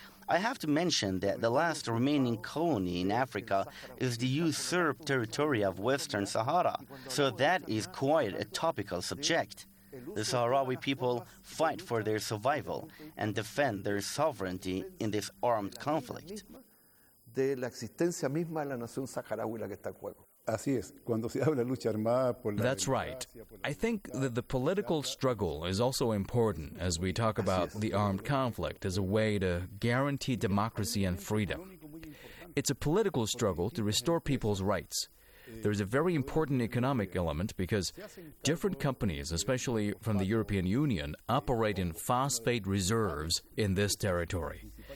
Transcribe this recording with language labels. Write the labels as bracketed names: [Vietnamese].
[English] I have to mention that the last remaining colony in Africa is the usurped territory of Western Sahara, so that is quite a topical subject. The Sahrawi people fight for their survival and defend their sovereignty in this armed conflict. [Spanish] De la existencia misma de la nación saharaui la que está en juego. [English] That's right. I think that the political struggle is also important as we talk about the armed conflict as a way to guarantee democracy and freedom. It's a political struggle to restore people's rights. There's a very important economic element because different companies, especially from the European Union, operate in phosphate reserves in this territory.